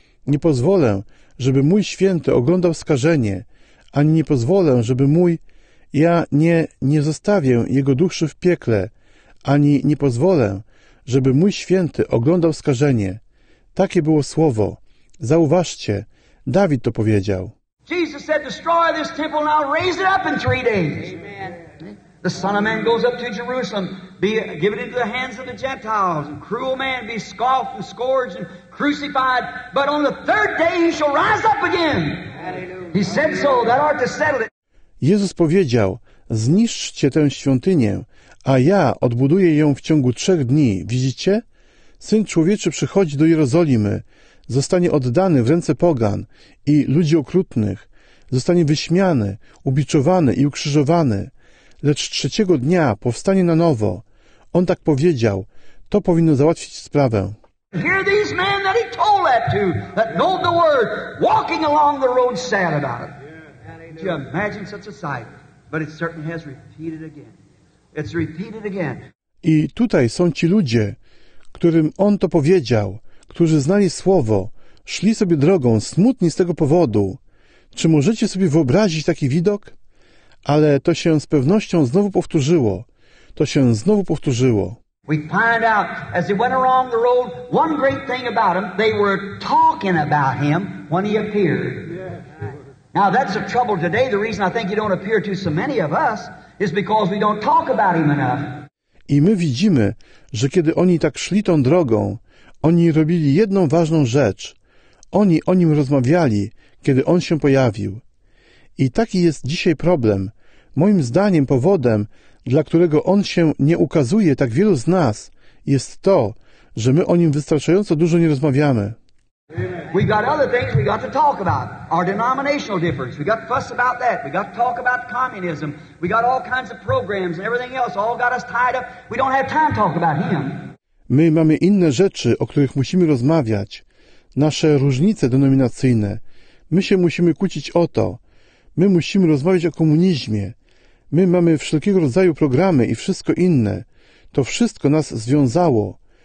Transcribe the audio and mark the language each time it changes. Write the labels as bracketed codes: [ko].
[pl] Nie pozwolę, żeby mój święty oglądał skażenie, ani nie pozwolę, żeby mój... Ja nie zostawię jego duszy w piekle, ani nie pozwolę, żeby mój święty oglądał skażenie. Takie było słowo. Zauważcie, Dawid to powiedział. [en] Jesus said, destroy this temple and I'll raise it up in 3 days. Amen. The Son of Man goes up to Jerusalem, be given into the hands of the Gentiles, and cruel man be scoffed and scourged and crucified, but on the third day he shall rise up again. Hallelujah. He said so, that art to settle it. [pl] Jezus powiedział, zniszczcie tę świątynię, a ja odbuduję ją w ciągu 3 dni. Widzicie? Syn Człowieczy przychodzi do Jerozolimy, zostanie oddany w ręce pogan i ludzi okrutnych, zostanie wyśmiany, ubiczowany i ukrzyżowany, lecz 3 dnia powstanie na nowo. On tak powiedział, to powinno załatwić sprawę. [en] Hear these men that he told that to, that know the word, walking along the road sad about it. You imagine such a sight, but it certainly has repeated again. It's repeated again. [pl] I tutaj są ci ludzie, którym on to powiedział, którzy znali słowo, szli sobie drogą, smutni z tego powodu. Czy możecie sobie wyobrazić taki widok? Ale to się z pewnością znowu powtórzyło. To się znowu powtórzyło. [en] We find out as they went along the road, one great thing about him, they were talking about him when he appeared. Now that's a trouble today. The reason I think he don't appear to so many of us is because we don't talk about him enough. [pl] I my widzimy, że kiedy oni tak szli tą drogą, oni robili jedną ważną rzecz. Oni o nim rozmawiali, kiedy on się pojawił. I taki jest dzisiaj problem. Moim zdaniem powodem, dla którego on się nie ukazuje tak wielu z nas, jest to, że my o nim wystarczająco dużo nie rozmawiamy. [en] We got other things we got to talk about. Our denominational difference. We got fuss about that. We got to talk about communism. We got all kinds of programs and everything else. All got us tied up. We don't have time to talk about him. [pl] My mamy inne rzeczy, o których musimy rozmawiać. Nasze różnice denominacyjne. My się musimy kłócić o to. My musimy rozmawiać o komunizmie. My mamy wszelkiego rodzaju programy i wszystko inne. To wszystko nas związało.